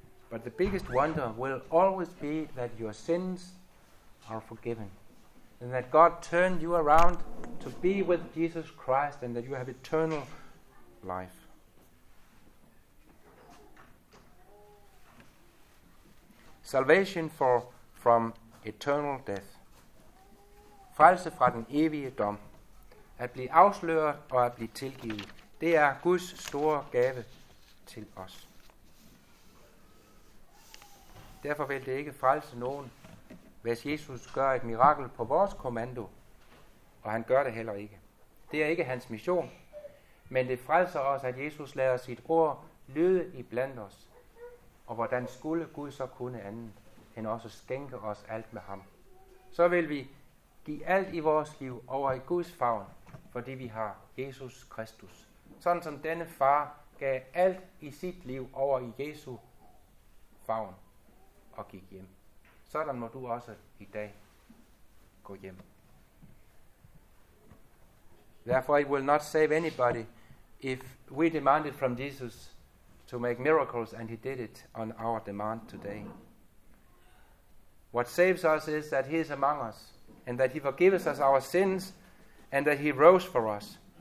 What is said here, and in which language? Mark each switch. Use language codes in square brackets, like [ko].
[en] But the biggest wonder will always be that your sins are forgiven and that God turned you around to be with Jesus Christ and that you have eternal life. Salvation from eternal death. [da] Frelse fra den evige dom. At blive afsløret og at blive tilgivet. Det er Guds store gave til os. Derfor vil det ikke frelse nogen, hvis Jesus gør et mirakel på vores kommando, og han gør det heller ikke. Det er ikke hans mission, men det frelser os, at Jesus lader sit ord lyde iblandt os. Og hvordan skulle Gud så kunne andet, end også skænke os alt med ham? Så vil vi give alt i vores liv over i Guds favn, fordi vi har Jesus Kristus. Sådan som denne far gav alt i sit liv over i Jesu favn og gik hjem. Sådan må du også i dag gå hjem. [en] Therefore it will not save anybody if we demanded from Jesus to make miracles and he did it on our demand today. What saves us is that he is among us and that he forgives us our sins and that he rose for us.